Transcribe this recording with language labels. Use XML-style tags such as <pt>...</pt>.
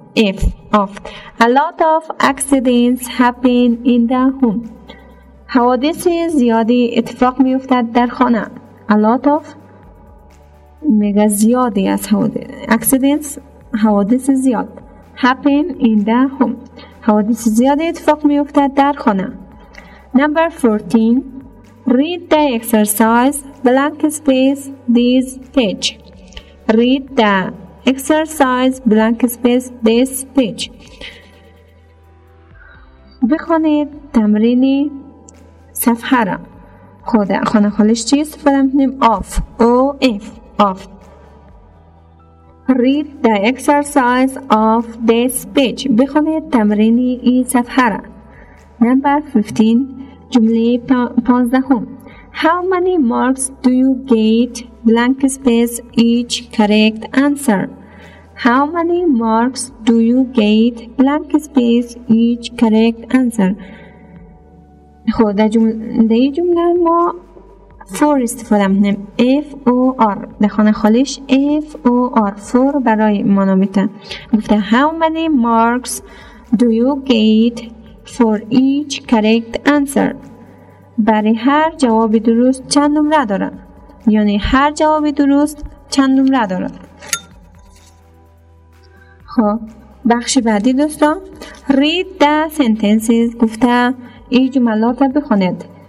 <en>if of a lot of accidents happen in the home.</en> <fa>حوادث زیادی اتفاق می افتد در خانه.</fa> <en>A lot of</en> <fa>مگه زیادی از حوادث.</fa> <en>Accidents</en> <fa>حوادث زیاد.</fa> <en>Happen in the home.</en> <fa>حوادث زیادی اتفاق می افتد در خانه.</fa> <en>Number 14. Read the exercise blank space this page. Read the exercise blank space this page.</en> <fa>بخونید تمرین صفحه را. خود خانه خالیش چی استفاده می‌کنیم؟ Of.</fa> <en>O F. Of. Read the exercise of this page.</en> <fa>بخونید تمرین این صفحه را.</fa> <en>Number 15.</en> <fa>جمله 15.</fa> <en>How many marks do you get blank space each correct answer? How many marks do you get blank space each correct answer?</en> <fa>خب در جمله جمله ما for استفاده می‌کنیم. F O R در خانه خالیش F O R for برای معنا میده. گفته</fa> <en>how many marks do you get for each correct answer.</en> <fa>برای هر جواب درست چند نمره داره؟ یعنی هر جواب درست چند نمره داره؟ خب بخش بعدی دوستان</fa> <en>read the sentences.</en> <fa>گفته این جملات را بخونید.</fa>